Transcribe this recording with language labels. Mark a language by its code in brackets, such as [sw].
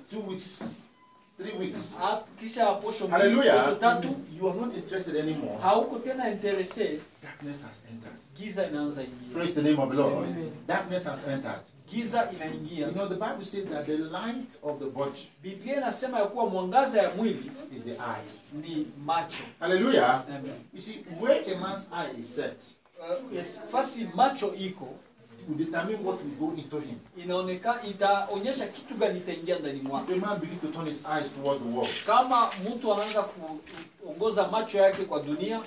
[en] 2 weeks, 3 weeks, [sw] kisha posho mbili, posho tatu, [en] you are not interested anymore, [sw] hauko tena interested, [en] darkness has entered, [sw] giza inaanza ingia. [en] Praise the name of the Lord. Amen. Darkness has entered. [sw] Giza inaingia. [en] You know the Bible says that the light of the body, [sw] Biblia inasema ya kuwa mwangaza ya mwili, [en] is the eye, [sw] ni macho. [en] Hallelujah. Amen. You see where a man's eye is set, [sw] yes, fasi macho iko, [en] will determine what will go into him. [sw] Inaonekana itaonyesha kitu gani itaingia ndani mwake. [en] A man begins to turn his eyes towards the world, [sw] kama mtu anaanza kuongoza macho yake kwa dunia,